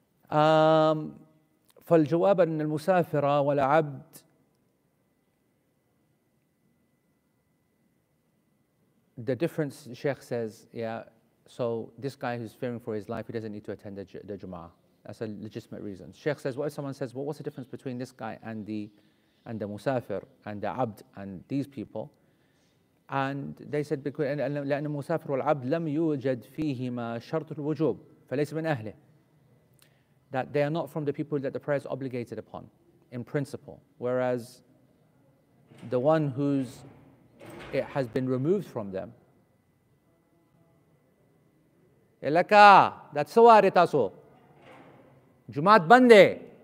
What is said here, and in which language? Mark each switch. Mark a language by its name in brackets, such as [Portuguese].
[Arabic] فالجواب أن المسافرة والعبد [English] the difference, Sheikh says, yeah, so this guy who's fearing for his life, he doesn't need to attend the Jum'ah. That's a legitimate reason. Sheikh says, what if someone says, well, what's the difference between this guy and the musafir and the abd and these people? And they said, [Arabic] لأن المسافر والعبد لم يوجد فيهما شرط الوجوب فليس من أهله. [English] That they are not from the people that the prayer is obligated upon, in principle. Whereas the one whose it has been removed from them. Elaka, that's sawari taso. Jumat bande.